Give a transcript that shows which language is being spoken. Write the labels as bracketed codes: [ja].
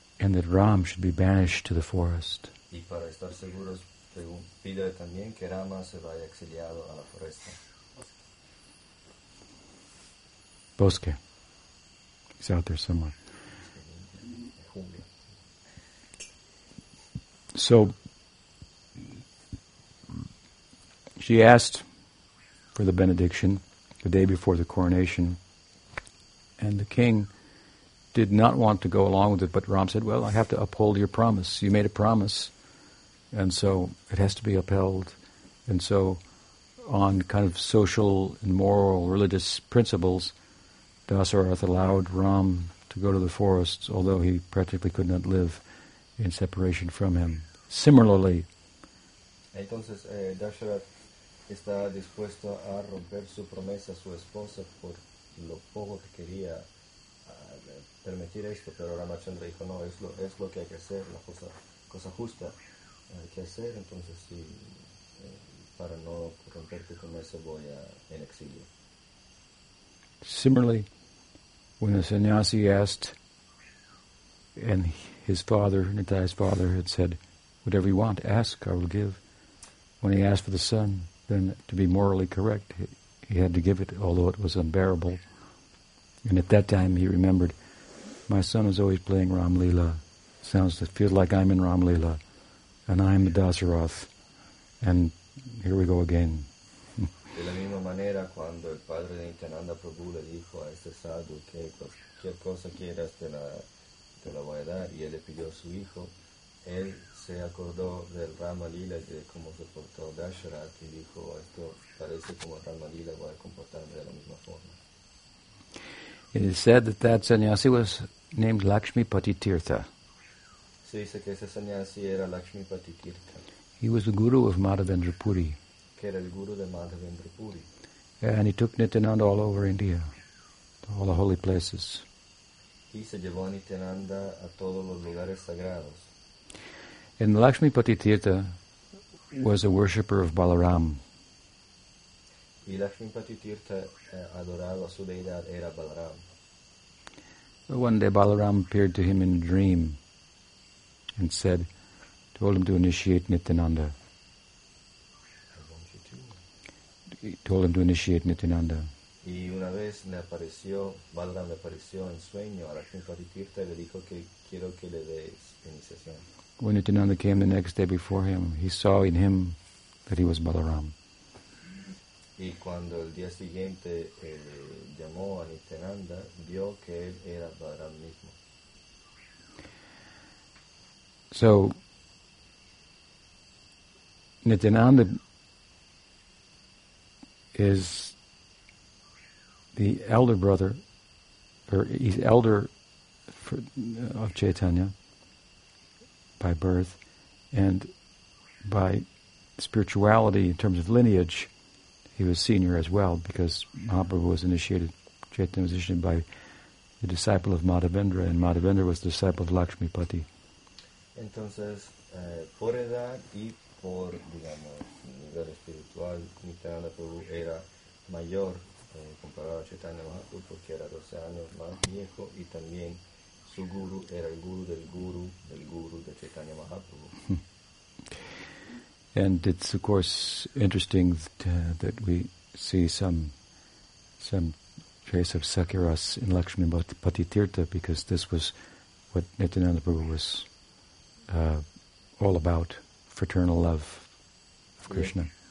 [en] And that Ram should be banished to the forest. [es] Y para estar seguros, pide también que Rama se vaya exiliado a la foresta. Bosque. [en] He's out there somewhere. So, she asked for the benediction the day before the coronation, and the king did not want to go along with it, but Ram said, well, I have to uphold your promise. You made a promise, and so it has to be upheld. And so on kind of social and moral, religious principles, Dasarath allowed Ram to go to the forest, although he practically could not live in separation from him. Similarly, [es] entonces, Dasarath está dispuesto a romper su promesa a su esposa por lo poco que quería permitir esto, pero Ramachandra dijo no, es lo que hay que hacer, la cosa justa hay que hacer, entonces sí, para no romper tu promesa voy en exilio. [en] Similarly, when the sannyasi asked, and his father, Nitai's father, had said, whatever you want, ask, I will give. When he asked for the son, then to be morally correct, he had to give it, although it was unbearable. And at that time he remembered, my son is always playing Ram Lila. Sounds to feel like I'm in Ram Lila. And I'm the Dasarath. And here we go again. [es] De la misma manera, cuando el padre de Nityananda Prabhu le dijo a este sadhu que cualquier cosa quieras te la voy a dar, y él le pidió a su hijo, él se acordó del Rama Lila, de cómo se portó Dasharath, y dijo, esto parece como Rama Lila, voy a comportarme de la misma forma. [en] It is said that that sannyasi was named Lakshmipati Tirtha. [es] Se dice que ese sannyasi era Lakshmipati Tirtha. [en] He was the guru of Madhavendra Puri. [es] Que era el guru de Madhavendra Puri. [en] And he took Nityananda all over India, to all the holy places. [es] Y se llevó a Nityananda a todos los lugares sagrados. [en] And Lakshmipati Tirtha was a worshipper of Balaram. [es] Y Lakshmipati Tirtha adorado a su deidad era Balaram. [en] One day Balaram appeared to him in a dream and said, told him to initiate Nityananda. [es] Y una vez le apareció, Balaram le apareció en sueño a Lakshmipati Tirtha y le dijo que quiero que le dé iniciación. [en] When Nityananda came the next day before him, he saw in him that he was Balaram. [es] Y cuando el día siguiente él llamó a Nityananda, vio que él era Balaram mismo. [en] So, Nityananda is the elder brother, or he's elder of Chaitanya by birth, and by spirituality in terms of lineage, he was senior as well, because Mahaprabhu was initiated, Chaitanya was initiated by the disciple of Madhavendra, and Madhavendra was the disciple of Lakshmipati. [es] Entonces, por edad y por, digamos, nivel espiritual, Nityananda Prabhu era mayor comparado a Chaitanya Mahaprabhu, porque era 12 años más viejo, y también su guru era el guru del guru del guru de Chaitanya Mahaprabhu. [en] And it's of course interesting that we see some trace of Sakiras in Lakshmipati Tirtha, because this was what Nityananda Prabhu was all about, fraternal love of Krishna.